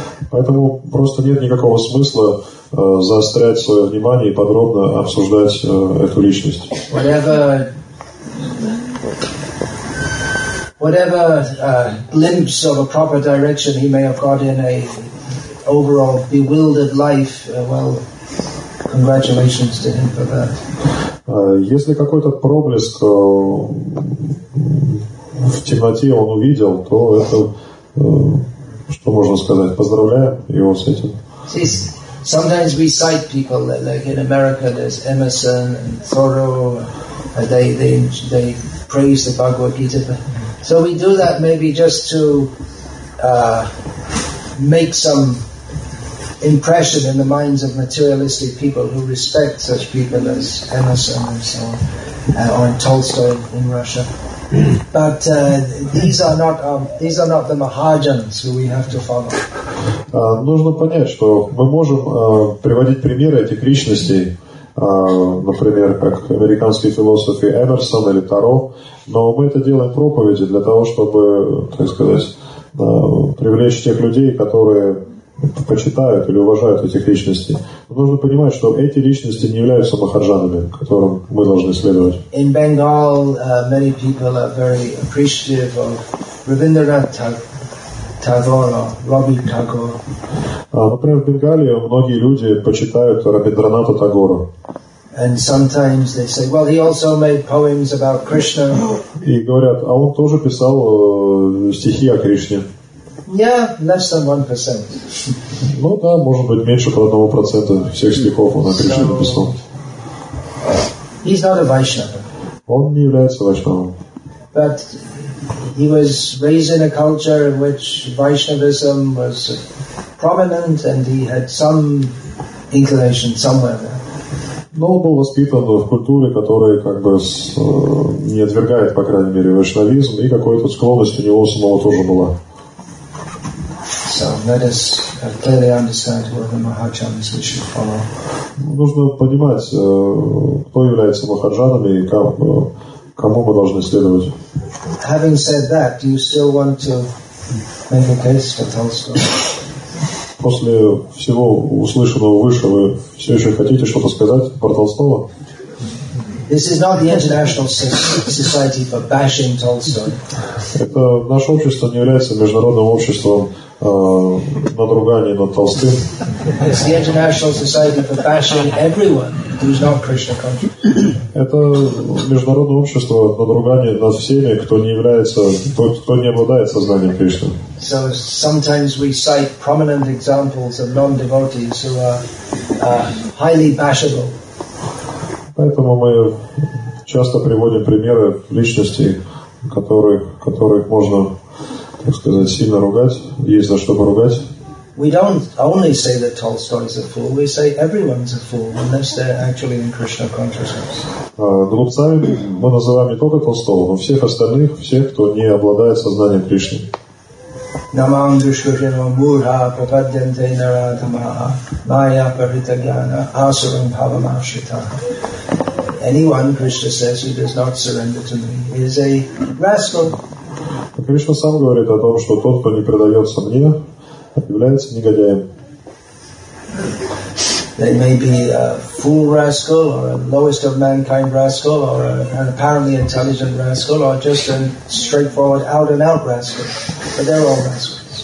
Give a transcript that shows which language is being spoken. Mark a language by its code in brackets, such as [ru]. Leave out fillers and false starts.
[ru] Поэтому просто нет никакого смысла заострять свое внимание и подробно обсуждать эту личность. [en] Whatever glimpse of a proper direction he may have got in a overall bewildered life, well, congratulations to him for that. [ru] Если какой-то проблеск в темноте он увидел, то это, что можно сказать, поздравляем его с этим. [en] Sometimes we cite people that, like in America, there's Emerson and Thoreau, and they praise the Bhagavad Gita. So we do that maybe just to make some impression in the minds of materialistic people who respect such people as Emerson and so on, or Tolstoy in Russia. But these are not the Mahajans who we have to follow. [ru] Нужно понять, что мы можем приводить примеры этих личностей, например, как американские философы Эмерсон или Таро, но мы это делаем проповеди для того, чтобы, так сказать, привлечь тех людей, которые почитают или уважают этих личностей. Но нужно понимать, что эти личности не являются махаджанами, которым мы должны следовать. [en] In Bengal, many people are very appreciative of Rabindranath Tagore, Rabbi Tagore. [ru] Например, в Бенгалии многие люди почитают Рабиндраната Тагора. [en] And sometimes they say, well, he also made poems about Krishna. [ru] И говорят, а он тоже писал стихи о Кришне. [en] Yeah, less than 1%. [ru] Ну да, может быть, меньше 1% всех стихов он о Кришне написал. [en] He's not a Vaishnava. [ru] Он не является вайшнавом. [en] But he was raised in a culture in which Vaishnavism was prominent, and he had some inclination somewhere there. [ru] Но он был воспитан в культуре, которая как бы не отвергает, по крайней мере, вайшнавизм, и какой-то склонность у него самого тоже была. [en] So let us clearly understand who the Mahajanas we should follow. [ru] Нужно понимать, кто является махаджанами и как, кому мы должны следовать. [en] Having said that, do you still want to make a case for Tolstoy? [ru] После всего услышанного выше, вы все еще хотите что-то сказать про Толстого? [en] This is not the International Society for Bashing Tolstoy. [ru] Это наше общество не является международным обществом надругания над Толстым. [en] It's the International Society for Bashing everyone who's not Krishna conscious. [ru] Это международное общество надругания над всеми, кто не является, кто не обладает сознанием Кришны. [en] So sometimes we cite prominent examples of non-devotees who are highly bashable. [ru] Поэтому мы часто приводим примеры личностей, которых можно, так сказать, сильно ругать. Есть за что поругать. [en] We don't only say that Tolstoy is a fool. We say everyone's a fool unless they're actually in Krishna consciousness. [ru] Глупцами мы называем не только Толстого, но всех остальных, всех, кто не обладает сознанием Кришны. [sa] Намам душкурино мурха пападьянте нарадамаха майя паритагьяна асурам павамашита. [en] Anyone, Krishna says, who does not surrender to me is a rascal. [ru] Кришна сам говорит о том, что тот, кто не предается мне, является негодяем. [en] They may be a fool rascal, or a lowest of mankind rascal, or an apparently intelligent rascal, or just a straightforward out-and-out rascal. But they're all rascals.